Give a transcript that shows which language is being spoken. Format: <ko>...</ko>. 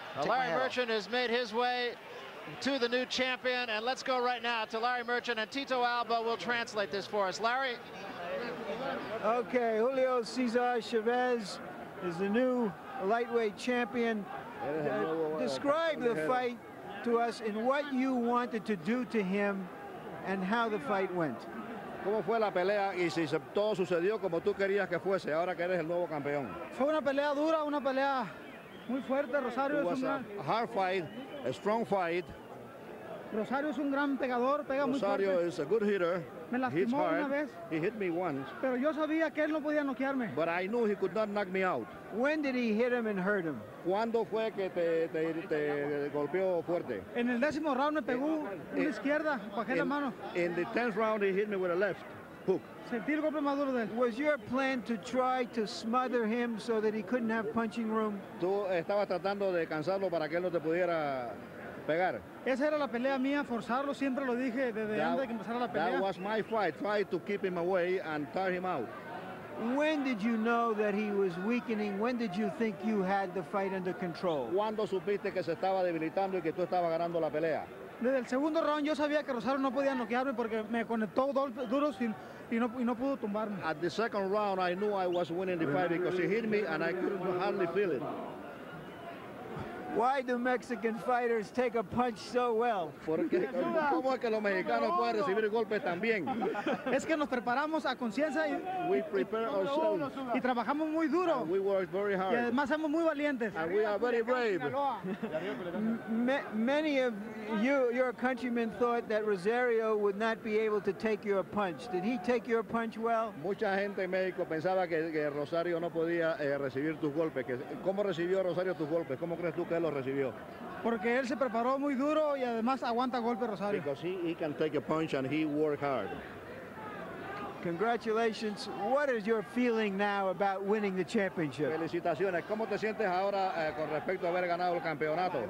<en>Well, Larry Merchant has made his way to the new champion, and let's go right now to Larry Merchant, and Tito Alba will translate this for us. Larry? Okay, Julio Cesar Chavez is the new lightweight champion. Describe the fight to us and what you wanted to do to him and how the fight went.</en> <es>¿Cómo fue la pelea y si todo sucedió como tú querías que fuese ahora que eres el nuevo campeón? Fue una pelea dura, una pelea muy fuerte. Rosario</es> <en>es un hard fight, a strong fight.</en> <es>Rosario es un gran pegador, pega muy fuerte.</es> <en>Rosario is a good hitter.</en> <es>Me lastimó</es> <en>hard.</en> <es>Una vez.</es> <en>He hit me once.</en> <es>Pero yo sabía que él no podía noquearme.</es> <en>But I knew he could not knock me out. When did he hit him and hurt him?</en> <es>¿Cuándo fue que te golpeó fuerte? En el décimo round me pegó una izquierda, bajé la mano.</es> <en>In the 10th round he hit me with a left hook.</en> <es>Sentí el golpe maduro de él.</es> <en>Was your plan to try to smother him so that he couldn't have punching room?</en> <es>Tú estabas tratando de cansarlo para que él no te pudiera pegar. Esa era la pelea mía, forzarlo, siempre lo dije desde antes de que empezara la pelea.</es> <en>That was my fight, try to keep him away and tire him out. When did you know that he was weakening? When did you think you had the fight under control?</en> <es>¿Cuándo supiste que se estaba debilitando y que tú estabas ganando la pelea? Desde el segundo round yo sabía que Rosario no podía noquearme porque me conectó duro y no pudo tumbarme.</es> <en>At the second round I knew I was winning the fight because he hit me and I could hardly feel it. Why do Mexican fighters take a punch so well?</en> <es>Porque cómo es que los mexicanos pueden recibir golpes también. Es que nos preparamos a conciencia y</es> <en>we prepare ourselves</en> <es>y trabajamos muy duro.</es> <en>And we work very hard.</en> <es>Y además somos muy valientes.</es> <en>And we are very brave. Many of you, your countrymen, thought that Rosario would not be able to take your punch. Did he take your punch well?</en> <es>Mucha gente en México pensaba que Rosario no podía recibir tus golpes. ¿Cómo recibió Rosario tus golpes? ¿Cómo crees tú que lo recibió? Porque él se preparó muy duro y además aguanta golpe Rosario.</es> <en>Because he can take a punch and he worked hard. Congratulations. What is your feeling now about winning the championship?</en> <es>Felicitaciones. ¿Cómo te sientes ahora con respecto a haber ganado el campeonato?</es>